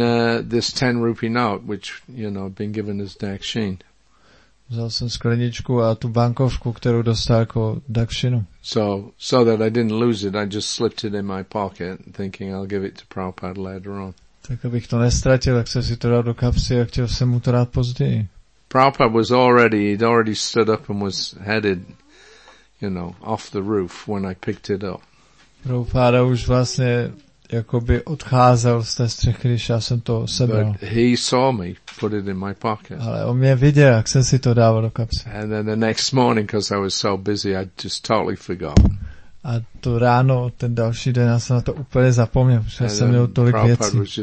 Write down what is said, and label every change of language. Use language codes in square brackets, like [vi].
[en] And this 10 rupee note, which, you know, been given as dakshin. [cs] Vzal jsem skleničku a tu bankovku, kterou dostal jako dakšinu. [en] So that I didn't lose it, I just slipped it in my pocket, thinking I'll give it to Prabhupada later on. [cs] Tak abych to nestratil, tak jsem si to dal do kapsy a chtěl jsem mu to dát později. [en] Prabhupada was already, he'd already stood up and was headed, you know, off the roof when I picked it up. [cs] Prabhupada už vlastně jakoby odcházel z té střechy, když já jsem to sebral. [en] But he saw me, put it in my pocket. [cs] Ale on mě viděl, jak jsem si to dával do kapsy. [en] And then the next morning, because I was so busy, I just totally forgot. [cs] A to ráno, ten další den, já jsem na to úplně zapomněl, protože jsem měl tolik věcí.